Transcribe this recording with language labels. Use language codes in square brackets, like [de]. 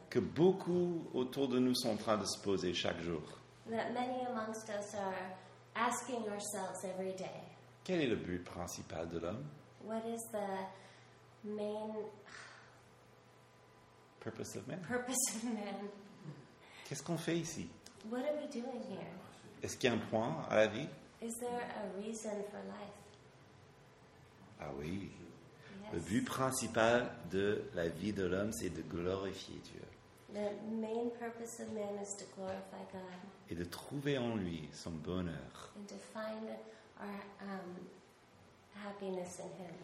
[fr] Que beaucoup autour de nous sont en train de se poser chaque jour. [en] That many amongst us are asking ourselves every day. [fr] Quel est le but principal de l'homme? [en] What is the main purpose of man? Purpose of man. [fr] Qu'est-ce qu'on fait ici? [en] What are we doing here? [fr] Est-ce qu'il y a un point à la vie? [en] Is there a reason for life? [fr] Ah oui. [en] Yes. [fr] Le but principal de la vie de l'homme, c'est de glorifier Dieu. [en] The main purpose of man is to glorify God. [fr] Et de trouver en lui son bonheur. [en] And to find our happiness in him.